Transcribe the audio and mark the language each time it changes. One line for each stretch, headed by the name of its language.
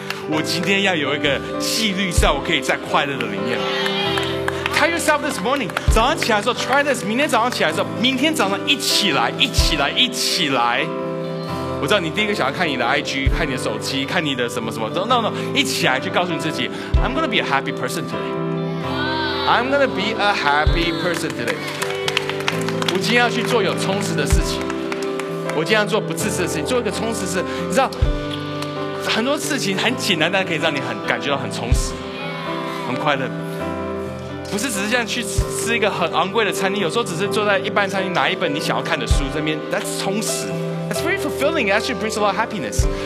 Chinese: 我今天要有一个纪律，在我可以在快乐的里面。
English: Tell yourself this morning,
Chinese: 早上起来的时候，
English: try this,
Chinese: 明天早上起来的时候，明天早上一起来。我知道你第一个想要看你的 IG, 看你的手机，看你的什么什么。
English: No,
Chinese: 一起来就告诉你自己，
English: I'm going to be a happy person today. I'm going to be a happy person today.
Chinese: 我今天要去做有充实的事情。我经常做不自私的事情，做一个充实事。你知道很多事情很简单，但可以让你很感觉到很充实很快乐。不是只是这样去吃一个很昂贵的餐厅，有时候只是坐在一般餐厅拿一本你想要看的书这边， That's 充实，
English: That's very fulfilling. It actually brings a lot of happiness.